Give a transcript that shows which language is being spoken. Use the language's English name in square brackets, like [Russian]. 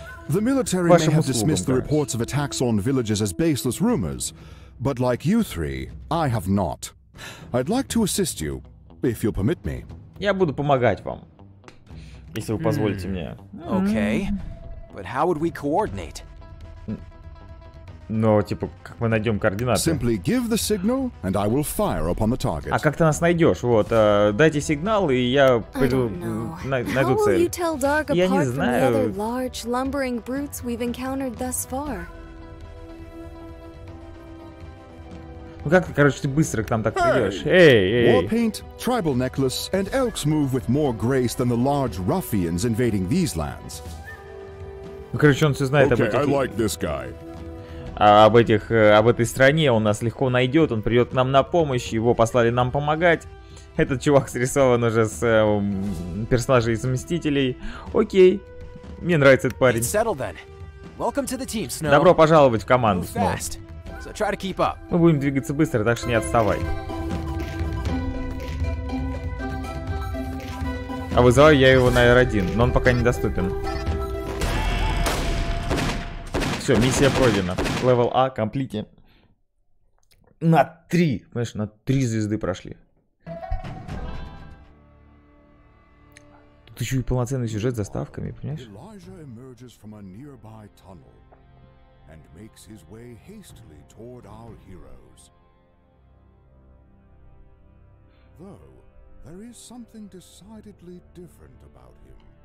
[English] The military may have dismissed the reports of attacks on villages as baseless rumors, but like you three, I have not. I'd like to assist you, if you'll permit me. [Russian] Я буду помогать вам, если вы позволите мне. [English] Okay, but how would we coordinate? [Russian] Ну, типа, как мы найдем координаты? [English] Simply give the signal, and I will fire upon the target. [Russian] А как ты нас найдешь? Вот, дайте сигнал, и я пойду найду цель. [English] How will you tell Dark apart from the other large lumbering brutes we've encountered thus far? [Russian] Ну как, короче, ты быстро к нам так придешь? Эй! [English] War paint, tribal necklace, and elks move with more grace than the large ruffians invading these lands. [Russian] Ну, короче, он все знает [English] okay, [Russian] об этих... [English] I like this guy. [Russian] Об этих, об этой стране он нас легко найдет, он придет нам на помощь, его послали нам помогать. Этот чувак срисован уже с персонажей из Мстителей. Окей, мне нравится этот парень. [English] Settled, then. Welcome to the team, Snow. [Russian] Добро пожаловать в команду, Сноу. [English] So try to keep up. [Russian] Мы будем двигаться быстро, так что не отставай. А вызываю я его на R1, но он пока недоступен. Все, миссия пройдена. [English] Level A, complete. [Russian] На 3, понимаешь, на 3 звезды прошли. Тут еще и полноценный сюжет с заставками, понимаешь? [English] Elijah emerges from a nearby tunnel and makes his way hastily toward our heroes. Though, there is something decidedly different about him.